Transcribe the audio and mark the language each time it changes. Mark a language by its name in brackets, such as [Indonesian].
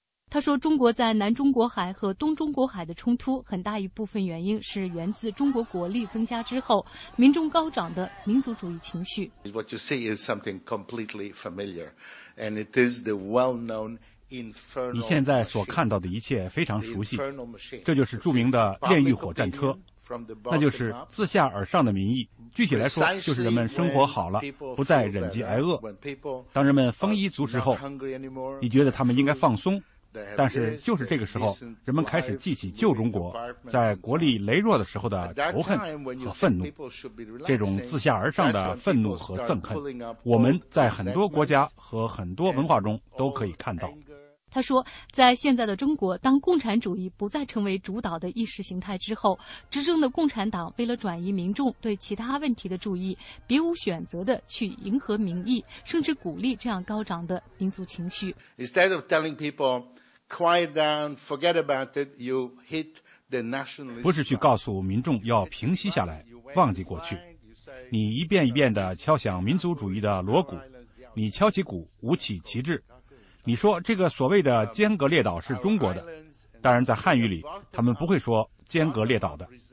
[Chinese] 他说，中国在南中国海和东中国海的冲突，很大一部分原因是源自中国国力增加之后，民众高涨的民族主义情绪。 [English] What you see is something completely familiar, and it is the well-known infernal. [Chinese] 你现在所看到的一切非常熟悉，这就是著名的炼狱火战车，那就是自下而上的民意。具体来说，就是人们生活好了，不再忍饥挨饿。当人们丰衣足食后，你觉得他们应该放松。但是就是这个时候，人们开始记起旧中国在国力羸弱的时候的仇恨和愤怒，这种自下而上的愤怒和憎恨，我们在很多国家和很多文化中都可以看到。他说，在现在的中国，当共产主义不再成为主导的意识形态之后，执政的共产党为了转移民众对其他问题的注意，别无选择地去迎合民意，甚至鼓励这样高涨的民族情绪。 [English] Instead of telling people, quiet down, forget about it, you hit the nationalist. [Chinese] 不是去告诉民众要平息下来，忘记过去。你一遍一遍地敲响民族主义的锣鼓，你敲起鼓，舞起旗帜。你说这个所谓的尖阁列岛是中国的，当然在汉语里他们不会说尖阁列岛的。